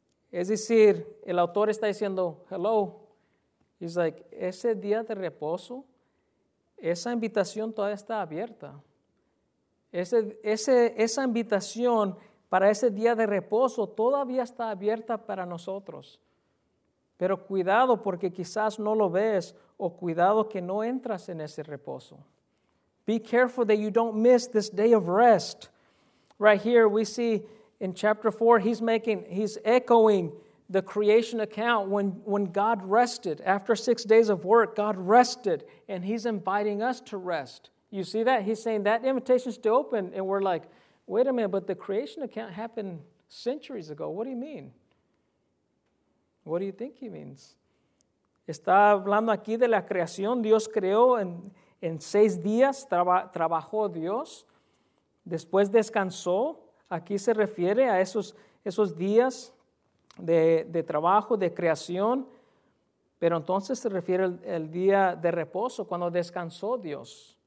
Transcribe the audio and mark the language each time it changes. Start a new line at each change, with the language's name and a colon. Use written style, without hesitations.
Spanish: Es decir, el autor está diciendo,
English: hello, he's like,
Spanish: ese día de reposo, esa invitación todavía está abierta. Esa invitación para ese día de reposo todavía está abierta para nosotros. Pero cuidado porque quizás no lo ves o cuidado que no entras en ese reposo.
English: Be careful that you don't miss this day of rest. Right here we see in chapter 4 he's echoing the creation account when God rested. After 6 days of work, God rested and he's inviting us to rest. You see that? He's saying that invitation is still open. And we're like, wait a minute, but the creation account happened centuries ago. What do you mean? What do you think he means?
Spanish: Está hablando aquí de la creación. Dios creó en 6 días. Trabajó Dios. Después descansó. Aquí se refiere a esos días de trabajo, de creación. Pero entonces se refiere al día de reposo, cuando descansó Dios.